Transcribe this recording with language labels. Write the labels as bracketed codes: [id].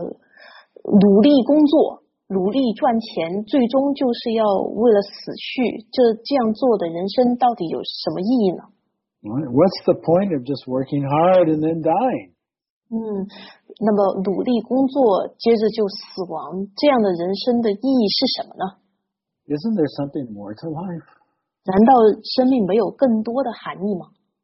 [zh] 那么而那些在灵性上有一些智力的人，就会去想，这个老天呐，这个努力工作。努力赚钱，最终就是要为了死去。这样做的人生到底有什么意义呢？ [en] What's the point of just working hard and then dying? [zh] 那么努力工作，接着就死亡，这样的人生的意义是什么呢？ [en] Isn't there something more to life? [zh] 难道生命没有更多的含义吗？